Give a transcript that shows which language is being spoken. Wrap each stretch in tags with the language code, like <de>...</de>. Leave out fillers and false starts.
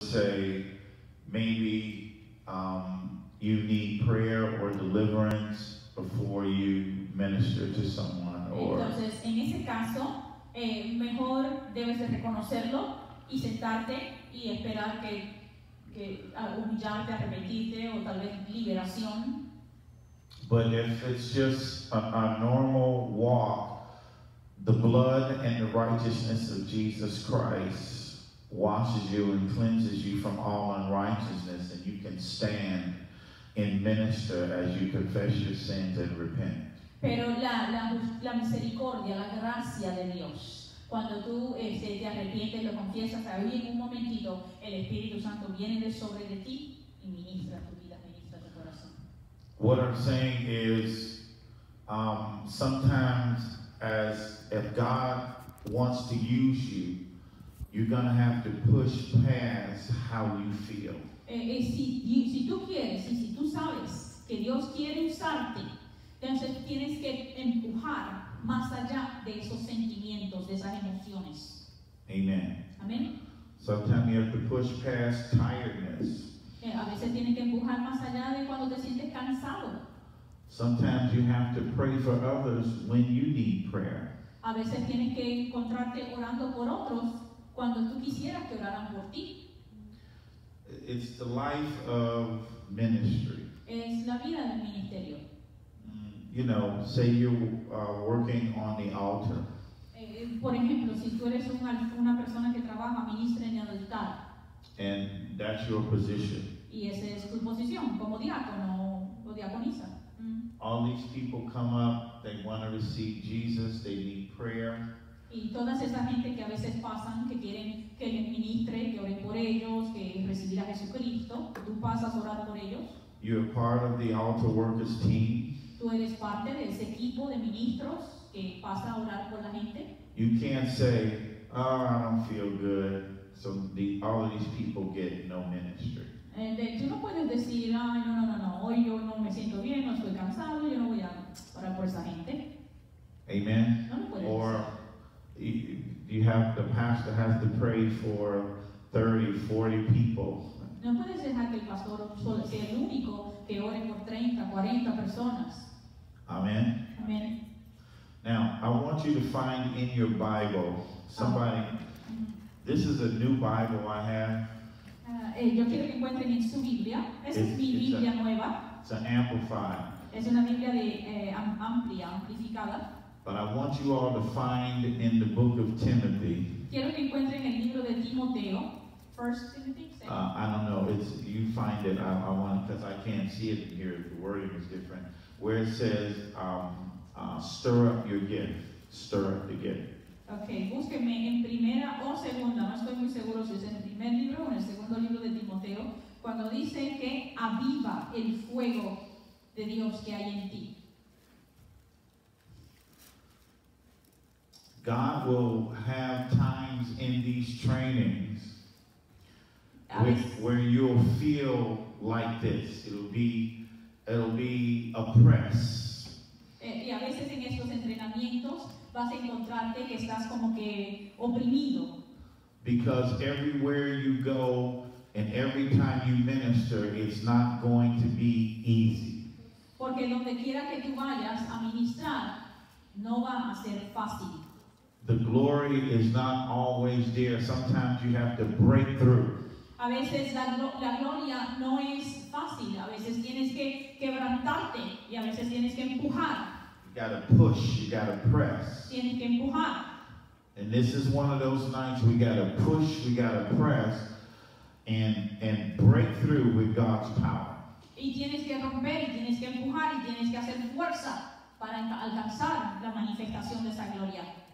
<en>say maybe you need prayer or deliverance before you minister to someone, or</en> <es>entonces en ese caso mejor debes de reconocerlo y sentarte y esperar que humillarte, arrepentirte o tal vez liberación.</es> <en>But if it's just a normal walk, the blood and the righteousness of Jesus Christ washes you and cleanses you from all unrighteousness, and you can stand and minister as you confess your sins and repent.</en> <es>Pero la misericordia, la gracia de Dios, cuando tú te arrepientes, lo confiesas, ahí en un momentito el Espíritu Santo viene de sobre de ti y ministra tu vida, ministra tu corazón.</es> <en>What I'm saying is, sometimes as if God wants to use you, you're going to have to push past how you feel.</en> <es>Si tú quieres, y si tú sabes que Dios quiere usarte, entonces tienes que empujar más allá de esos sentimientos, de esas emociones. Amen. Amen.</es> <en>Sometimes you have to push past tiredness.</en> <es>A veces tienes que empujar más allá de cuando te sientes cansado.</es> <en>Sometimes you have to pray for others when you need prayer.</en> <es>A veces tienes que encontrarte orando por otros cuando tú quisieras que oraran por ti.</es> <en>It's the life of ministry.</en> <es>Es la vida del ministerio.</es> <en>You know, say you are working on the altar.</en> <es>Por ejemplo, si tú eres una persona que trabaja, ministra en el altar.</es> <en>And that's your position.</en> <es>Y esa es tu posición, como diácono o diaconisa.</es> <en>All these people come up, they want to receive Jesus, they need prayer.</en> <es>Y todas esa gente que a veces pasan, que quieren que les ministre, que oren por ellos, que recibir a Jesucristo, tú pasas a orar por ellos.</es> <en>You're part of the altar workers team.</en> <es>Tú eres parte de ese equipo de ministros que pasa a orar por la gente.</es> <en>You can't say, oh, I don't feel good, so all of these people get no ministry.</en> <es>Tú no puedes decir, ay, no, hoy yo no me siento bien, no estoy cansado, yo no voy a orar por esa gente. Amen. No or decir.</es> <en>You have the pastor has to pray for 30, 40 people.</en> <es>No puedes dejar que el pastor solo sea el único que ore por 30, 40 personas. Amen. Amen.</es> <en>Now, I want you to find in your Bible somebody. This is a new Bible I have.</en> <es>Yo quiero que encuentren en su Biblia. Esa es mi Biblia nueva.</es> <en>It's an amplified.</en> <es>Es una Biblia de amplificada.</es> <en>But I want you all to find in the book of Timothy.</en> <es>Quiero que encuentren el libro de Timoteo.</es> <en>First Timothy. I don't know. It's you find it. I want because I can't see it here. The wording is different. Where it says, "Stir up your gift. Stir up the gift."</en> <es>Okay, búsqueme en primera o segunda, no estoy muy seguro si es en el primer libro o en el segundo libro de Timoteo, cuando dice que aviva el fuego de Dios que hay en ti.</es> <en>God will have times in these trainings where you'll feel like this. It'll be oppressed.</en> <es>Y a veces en estos entrenamientos vas a encontrarte que estás como que oprimido.</es> <en>Because everywhere you go and every time you minister, it's not going to be easy.</en> <es>Porque donde quiera que tú vayas a ministrar, no va a ser fácil.</es> <en>The glory is not always there. Sometimes you have to break through.</en> <es>A veces la gloria no es fácil. A veces tienes que quebrantarte y a veces tienes que empujar.</es> <en>You gotta push, you gotta press.</en> <es>Tienes que empujar.</es> <en>And this is one of those nights we gotta push, we gotta press, and break through with God's power.</en> <es>Y tienes que romper, tienes que empujar, y tienes que hacer fuerza para alcanzar la manifestación de esa gloria.</es>